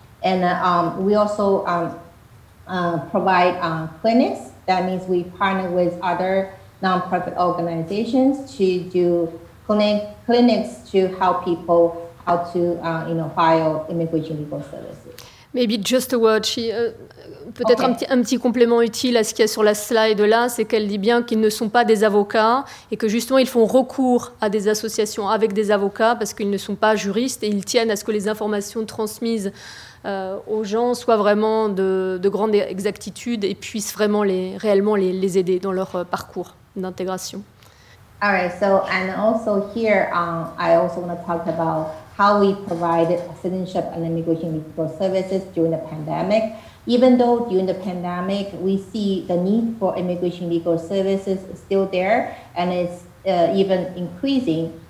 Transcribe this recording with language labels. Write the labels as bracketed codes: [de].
[en] And we also provide clinics. That means we partner with other nonprofit organizations to do clinics to help people how to file immigration legal services. Maybe just a word. Peut-être okay. [fr] un petit complément utile à ce qu'il y a sur la slide là, c'est qu'elle dit bien qu'ils ne sont pas des avocats et que justement ils font recours à des associations avec des avocats parce qu'ils ne sont pas juristes et ils tiennent à ce que les informations transmises aux gens soient vraiment de grande exactitude et puissent vraiment réellement les aider dans leur parcours d'intégration. [en] All right, so and also here, I also want to talk about how we provided citizenship and immigration legal services during the pandemic. Even though during the pandemic, we see the need for immigration legal services still there, and it's even increasing.